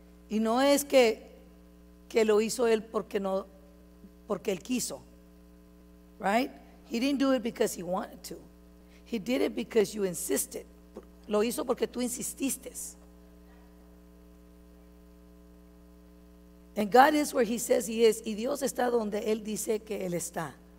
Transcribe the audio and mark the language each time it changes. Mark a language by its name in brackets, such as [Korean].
[Spanish] Y no es que lo hizo él porque él quiso, right? [English] He didn't do it because he wanted to. He did it because you insisted. [Spanish] Lo hizo porque tú insististe. [English] And God is where he says he is. [Spanish] Y Dios está donde él dice que él está.